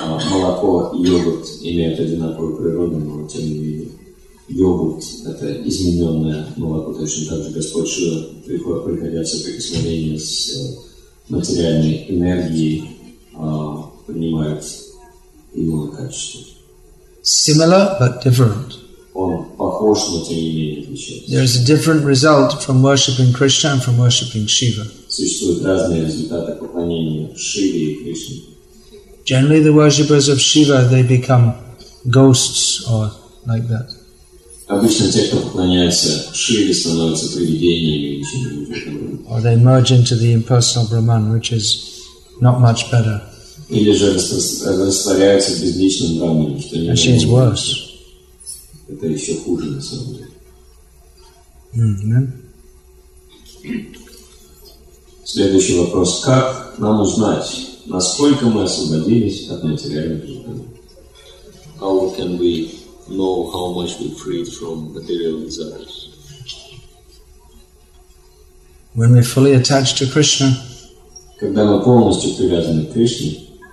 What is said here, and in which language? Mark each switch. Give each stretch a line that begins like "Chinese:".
Russian: молоко и йогурт имеют одинаковую природу, но тем не менее йогурт – это измененное молоко, точно так же Господь Шива приходит приходиться в прикосновение с материальной энергией, принимает иное качество.
English: Similar but different.
Russian: Он похож, но тем не менее отличается.
English: There is a different result from worshipping Krishna and from worshipping Shiva.
Russian: Существуют разные результаты поклонения Шиве и Кришне.
English: Generally, the worshippers of Shiva they become ghosts or like that.
Russian: Обычно те, кто поклоняется Шиве, становятся привидениями.
English: Or they merge into the impersonal Brahman, which is not much better. Или же растворяются в безличном Брахмане,
Russian: что не очень
English: worse.
Russian: Это еще хуже на самом деле. Mm-hmm. Следующий вопрос. Как нам узнать, насколько мы освободились от материальных желаний?
English: How can we know how much we freed from material desires? When we're fully attached to Krishna.
Russian: Когда мы полностью привязаны к Кришне,